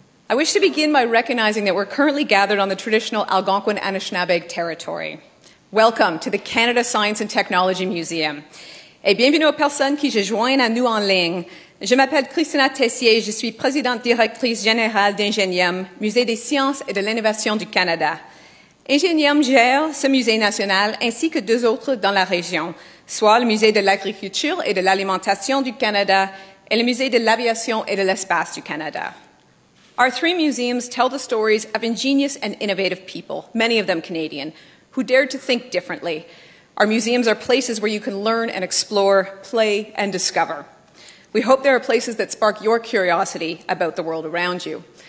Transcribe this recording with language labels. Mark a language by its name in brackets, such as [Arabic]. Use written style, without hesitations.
[English] I wish to begin by recognizing that we're currently gathered on the traditional Algonquin Anishinaabeg territory. Welcome to the Canada Science and Technology Museum. [French] Et bienvenue aux personnes qui se joignent à nous en ligne. Je m'appelle Christina Tessier, je suis présidente directrice générale d'Ingenium, Musée des sciences et de l'innovation du Canada. Ingenium gère ce musée national ainsi que deux autres dans la région, soit le Musée de l'agriculture et de l'alimentation du Canada et le Musée de l'aviation et de l'espace du Canada. [English] Our three museums tell the stories of ingenious and innovative people, many of them Canadian, who dared to think differently. Our museums are places where you can learn and explore, play and discover. We hope there are places that spark your curiosity about the world around you.